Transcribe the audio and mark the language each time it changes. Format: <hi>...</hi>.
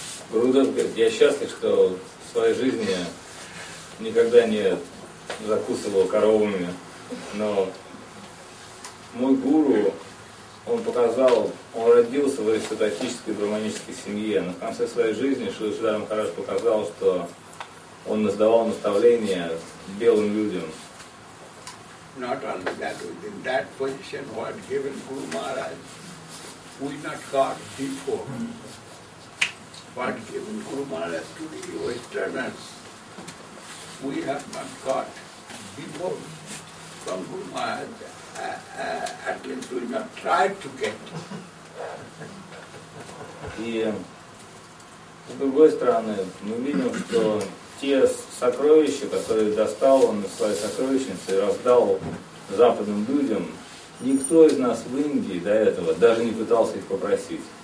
<ru>Гуру Дас говорит, я счастлив, что в своей жизни я никогда не закусывал коровами, но мой гуру, он показал, он родился в аристократической брахманической семье, но в конце своей жизни Шрила Сиддхартха Махарадж показал, что он издавал наставления белым людям.</ru> <en>Not only that, within that position what given Guru Maharaj, we not got before. What given Guru Maharaj to the Westerners, we have not got before from Guru Maharaj. At least we not tried to get.</en> <ru>И, с другой стороны, мы видим, что те сокровища, которые достал он из своей сокровищницы и раздал западным людям, никто из нас в Индии до этого даже не пытался их попросить.</ru>